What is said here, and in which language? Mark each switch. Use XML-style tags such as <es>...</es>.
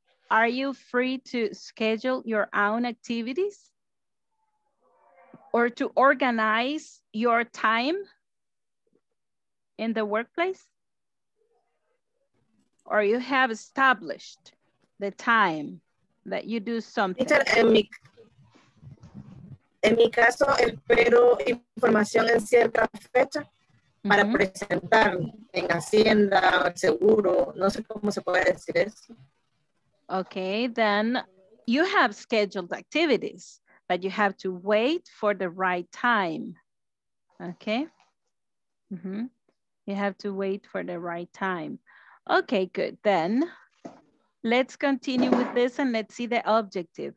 <en>Are you free to schedule your own activities? Or to organize your time? in the workplace? Or you have established the time that you do something?</en> <es>En mi caso, espero información en cierta fecha para mm-hmm. presentar en Hacienda, seguro, no sé cómo se puede decir eso.</es> <en>Okay, then you have scheduled activities, but you have to wait for the right time. Okay, mm-hmm. you have to wait for the right time. Okay, good, then. Let's continue with this and let's see the objective.</en>